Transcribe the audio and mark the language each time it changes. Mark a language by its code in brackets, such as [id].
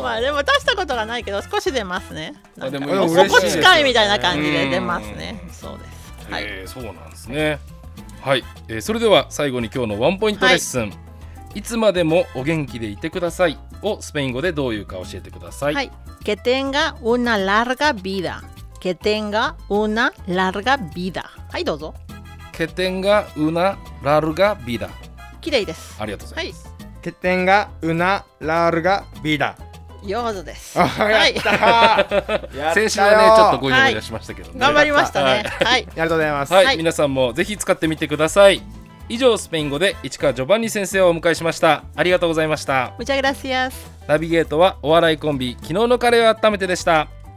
[ja] まあでも出したことがないけど少し出ますね。あ、でもそこ近いみたいな感じで出ますね。そうです。はい、そうなんですね。はい、それでは最後に今日のワンポイントレッスン、はい、いつまでもお元気でいてくださいをスペイン語でどういうか教えてください。はい、 [es] que tenga una larga vida、 que tenga una larga vida。 [ja] はい、どうぞ。 [es] que tenga una larga vida。 [ja] 綺麗です。ありがとうございます。はい、 [es] que tenga una larga vida。 [ja] 上手です。やったー、はい、先週はねちょっとご用意出しましたけどね、はい、頑張りましたね。はい、ありがとうございます。はい、皆さんもぜひ使ってみてください。以上、スペイン語で市川ジョバンニ先生をお迎えしました。ありがとうございました。 [es] むちゃぐらしやす。 [ja] ナビゲートはお笑いコンビ昨日のカレーを温めてでした。